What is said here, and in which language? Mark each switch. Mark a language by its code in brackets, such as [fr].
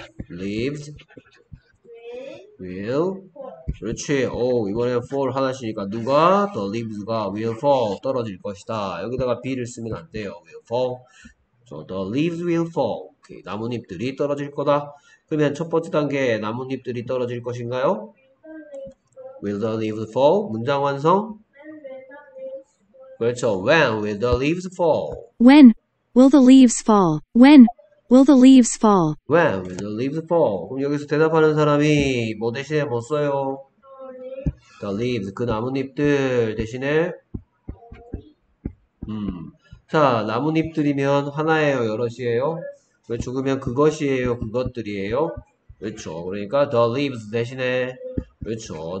[en] leaves will [ko] 그렇지. 오, 이번에 fall 하다시니까 누가? [en] The leaves가 will fall. [ko] 떨어질 것이다. 여기다가 be를 쓰면 안 돼요. [en] will fall. So the leaves will fall. 오케이. [ko] 나뭇잎들이 떨어질 거다. 그러면 첫 번째 단계에 나뭇잎들이 떨어질 것인가요? [en] Will the leaves fall? [ko] 문장 완성. 그렇죠. [en] When will the leaves fall? When will the leaves fall? When will the leaves fall? When will the leaves fall? [ko] 그럼 여기서 대답하는 사람이 뭐 대신에 뭐 써요? The leaves, 그 나뭇잎들 대신에, 자, 나뭇잎들이면 하나예요, 여럿이에요? 그렇죠. 그러면 그것이에요, 그것들이에요? 그렇죠. 그러니까 the leaves 대신에, 그렇죠.